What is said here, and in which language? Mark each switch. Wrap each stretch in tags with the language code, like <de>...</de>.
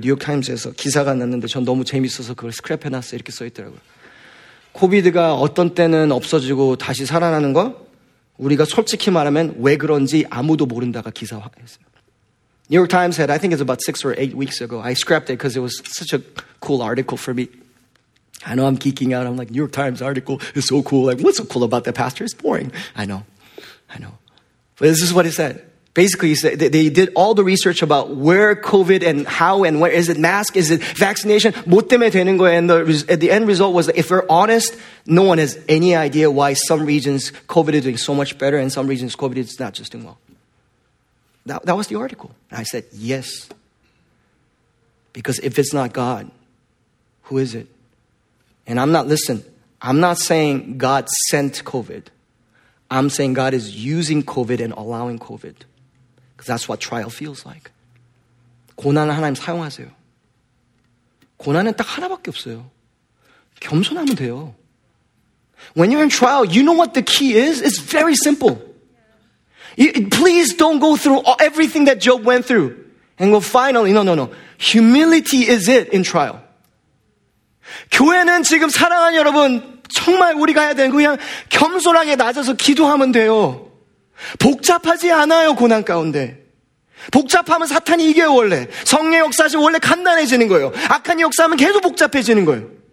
<ko>뉴욕타임스에서 기사가 났는데 전 너무 재밌어서 그걸 스크랩해놨어요. 이렇게 써있더라고요. 코비드가 어떤 때는 없어지고 다시 살아나는 거? 우리가 솔직히 말하면 왜 그런지 아무도 모른다가 기사화했어요.</ko> <en>New York Times said, I think it's about 6 or 8 weeks ago. I scrapped it because it was such a cool article for me. I know I'm geeking out. I'm like, New York Times article is so cool. Like, what's so cool about that, pastor? It's boring. I know. But this is what it said. Basically, they did all the research about where COVID and how and where. Is it mask? Is it vaccination?</en> <ko>뭐 때문에 되는 거야?</ko> <en>And the end result was, if we're honest, no one has any idea why some regions COVID is doing so much better and some regions COVID is not just doing well. That was the article. And I said, yes. Because if it's not God, who is it? And I'm not saying God sent COVID. I'm saying God is using COVID and allowing COVID. Because that's what trial feels like.</en> <ko>고난을 하나님 사용하세요. 고난은 딱 하나밖에 없어요. 겸손하면 돼요.</ko> <en>When you're in trial, you know what the key is? It's very simple. Please don't go through everything that Job went through and go, finally, no. Humility is it in trial.</en> <ko>교회는 지금 사랑하는 여러분, 정말 우리가 해야 되는 그냥 겸손하게 낮아서 기도하면 돼요. 복잡하지 않아요, 고난 가운데. 복잡하면 사탄이 이겨요, 원래. 성령 역사하시면 원래 간단해지는 거예요. 악한 역사하면 계속 복잡해지는 거예요.</ko>